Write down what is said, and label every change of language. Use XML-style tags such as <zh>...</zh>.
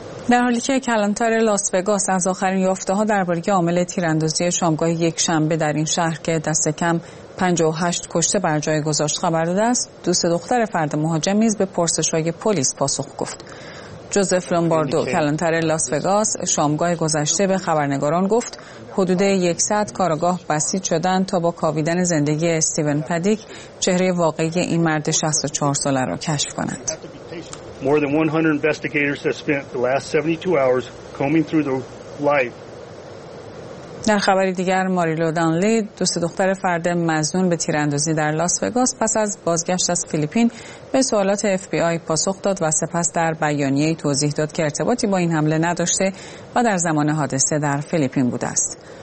<fa>در حالی که کلانتر لاس وگاس از آخرین یافته‌ها درباره عامل تیراندازی شامگاه یک شنبه در این شهر که دست کم 58 کشته بر جای گذاشت خبر داده است، دوست دختر فرد مهاجم نیز به پرسش‌های پلیس پاسخ گفت. جوزف لومباردو کلانتر لاس وگاس شامگاه گذشته به خبرنگاران گفت حدود 100 کارگاه بسیج شدند تا با کاویدن زندگی استیون پدیک چهره واقعی این مرد 64 ساله را کشف کنند.</fa> <en>More than 100 investigators have spent the last 72 hours combing through the life.</en> <fa>در خبر دیگر، ماریلو دانلی، دوست دختر فرد مظنون به تیراندازی در لاس وگاس، پس از بازگشت از فیلیپین به سوالات FBI پاسخ داد و سپس در بیانیه‌ای توضیح داد که ارتباطی با این حمله نداشته و در زمان حادثه در فیلیپین بوده است.</fa>